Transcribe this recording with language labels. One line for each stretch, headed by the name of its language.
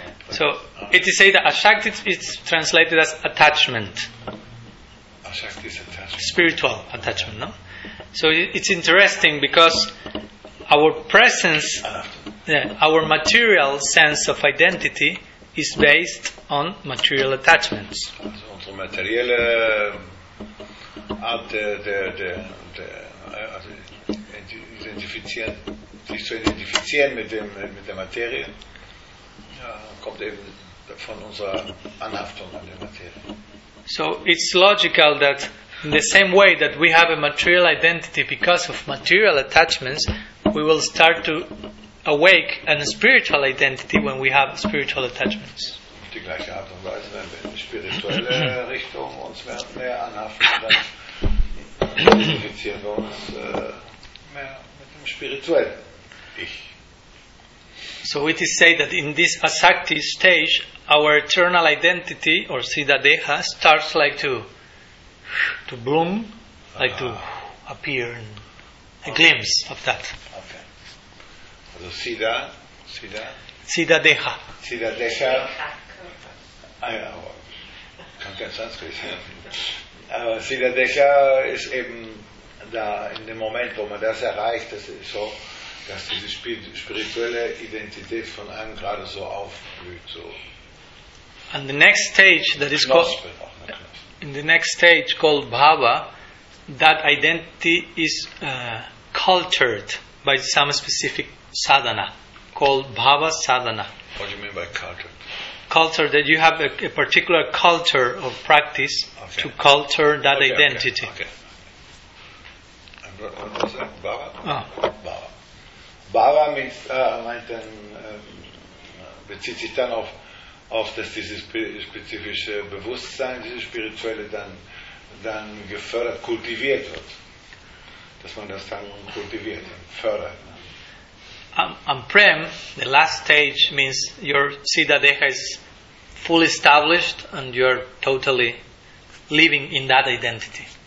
English: So, it is said that ashakti is translated as attachment. Ashakti is attachment. Spiritual attachment, no? So, it's interesting because our presence, our material sense of identity is based on material attachments.
German: Also, unsere materielle Art sich zu identifizieren mit der Materie. Kommt eben von unserer Anhaftung an der Materie.
English: So it's logical that in the same way that we have a material identity because of material attachments, we will start to awake a spiritual identity when we have spiritual attachments.
German: Auf die gleiche Art und Weise, wenn wir in die spirituelle Richtung uns mehr anhaften, dann identifizieren wir uns mehr mit dem spirituellen Ich.
English: So it is said that in this asakti stage, our eternal identity or siddha-deha starts like to bloom, like to appear, in a glimpse of that. Okay. So siddha. Siddha-deha.
German: Siddha-deha.
English: I know.
German: Kommt ja in Sanskrit. Siddha-deha ist eben da in dem Moment, wo man das erreicht, das ist so, dass diese spirituelle Identität von einem gerade so aufblüht.
English: So. And the next stage that is called in the next stage called Bhava, that identity is cultured by some specific sadhana called Bhava sadhana. What do you mean by cultured? Culture, that you have a particular culture of practice to culture that identity. Okay. What was that? Bhava? Bhava. Bhava means,
German: meint dann, bezieht sich dann auf dass dieses spezifische Bewusstsein, dieses spirituelle, dann gefördert, kultiviert wird. Dass man das dann kultiviert und fördert.
English: And Prem, the last stage, means your siddha-deha is fully established and you are totally living in that identity.